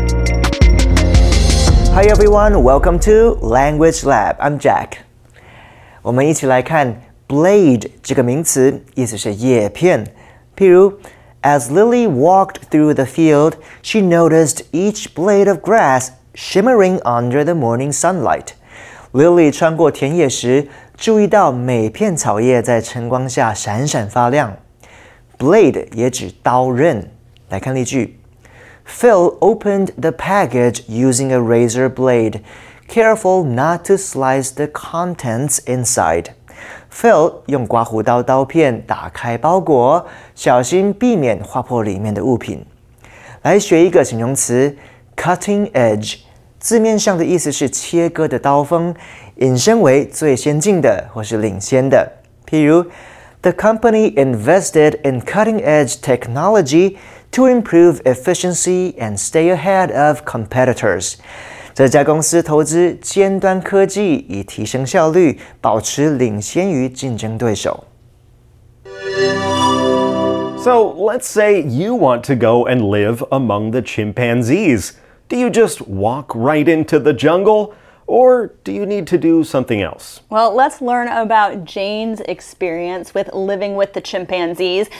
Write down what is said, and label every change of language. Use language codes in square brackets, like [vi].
[en] Hi everyone, welcome to Language Lab. I'm Jack. [zh] 我们一起来看 blade 这个名词，意思是叶片。 [en] 譬如As Lily walked through the field, she noticed each blade of grass shimmering under the morning sunlight. [zh] Lily 穿过田野时，注意到每片草叶在晨光下闪闪发亮。 [en] Blade [zh] 也指刀刃。来看例句。 [en] Phil opened the package using a razor blade, careful not to slice the contents inside. [zh] Phil 用刮胡刀刀片打开包裹，小心避免划破里面的物品。来学一个形容词 ,cutting edge, 字面上的意思是切割的刀锋，引申为最先进的或是领先的。 [en] 譬如 ,the company invested in cutting edge technology to improve efficiency and stay ahead of competitors. [zh] 这家公司投资尖端科技以提升效率，保持领先于竞争对手。 [en] So, let's say you want to go and live among the chimpanzees. Do you just walk right into the jungle, or do you need to do something else? Well, let's learn about Jane's experience with living with the chimpanzees.